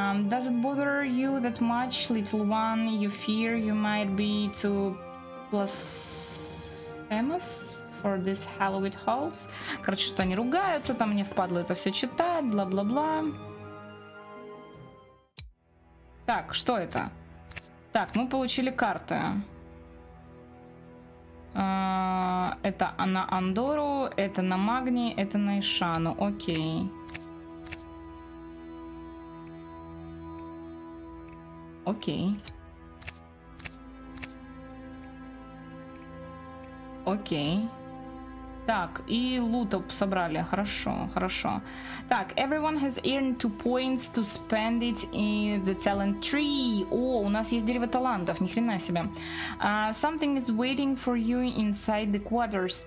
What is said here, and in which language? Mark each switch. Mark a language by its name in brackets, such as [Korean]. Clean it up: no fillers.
[English] Does it bother you that much, little one? You fear you might be too blasphemous for this hallowed halls? [Russian] Короче, что они ругаются, там мне впадло это все читать, бла-бла-бла. Так, что это? Так, мы получили карты. Это на Андору, это на Магни, это на Ишану. Окей. Окей. Окей. Так, и лута собрали. Хорошо, хорошо. Так, [English] everyone has earned 2 points to spend it in the talent tree. [Russian] О, у нас есть дерево талантов. Ни хрена себе. [English] Something is waiting for you inside the quarters.